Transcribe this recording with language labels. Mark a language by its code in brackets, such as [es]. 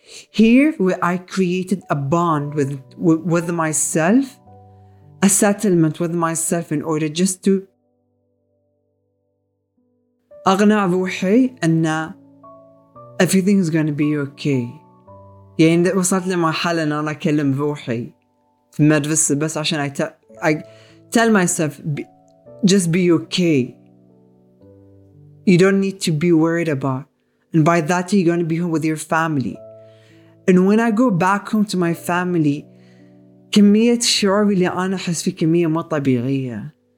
[en] Here, where I created a bond with myself, a settlement with myself in order just to [ar] أقنع روحي أن [en] everything is going to be okay. [ar] يعني وصلت لمرحلة أن أنا أكلم روحي في المدرسة بس عشان [en] I tell myself just be okay. You don't need to be worried about. And by that you're going to be home with your family. And when I go back home to my family, [ar] كمية شعوري اللي أنا أحس فيه كمية مو طبيعية.